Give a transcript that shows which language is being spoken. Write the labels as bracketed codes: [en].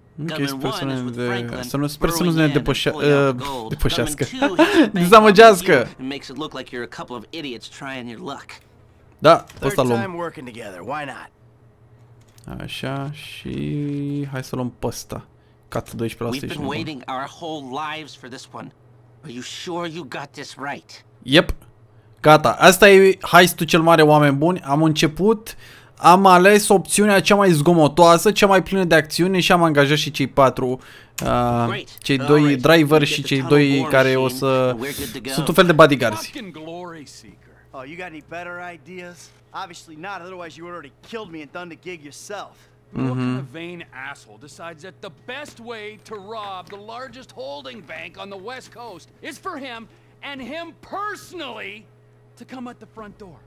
[ro] Okay, sper să nu ne depășească. Dezamăgească! [en] It makes it look like you're a couple of idiots trying your luck. [ro] Da, ăsta luăm. [en] Third time working together, why not? [ro] Așa și hai să luăm pe ăsta. [en] Cat 12%. We've been waiting our whole lives for this one. Are you sure you got this right? [ro] Yep. Gata. Asta e heist-ul cel mare, oameni buni. Am început. Am ales opțiunea cea mai zgomotoasă, cea mai plină de acțiune și am angajat și cei patru, cei doi driver și cei doi care o să sunt un fel de bodyguards. [en] Oh, you got any better ideas? Obviously not, otherwise you would already killed me and done the gig yourself. Mm-hmm. What kind of vain asshole decides that the best way to rob the largest holding bank on the West Coast is for him and him personally to come at the front door?